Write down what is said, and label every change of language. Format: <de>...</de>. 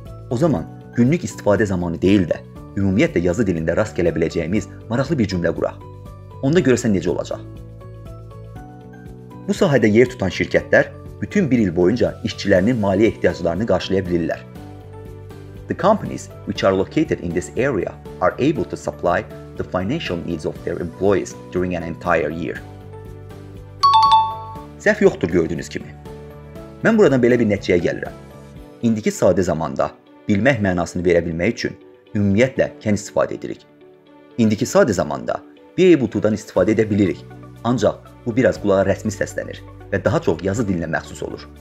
<az>O zaman günlük istifadə zamanı deyil də, ümumiyyətlə yazı dilində rast gələ biləcəyimiz maraqlı bir cümlə quraq. Onda görürsən necə olacaq? Bu sahədə yer tutan şirkətlər bütün bir il boyunca işçilərinin maliyyə ehtiyaclarını qarşılaya bilirlər.</az> <en>The companies which are located in this area are able to supply the financial needs of their employees during an entire year.</en> <az>Səhv yoxdur gördüyünüz kimi. Mən buradan belə bir nəticəyə gəlirəm. İndiki sadə zamanda bilmək mənasını verə bilmək üçün ümumiyyətlə can istifadə edirik. İndiki sadə zamanda be able to-dan istifadə edə bilirik. Ancaq bu biraz qulağa rəsmi səslənir və daha çox yazı dilinə məxsus olur.</az>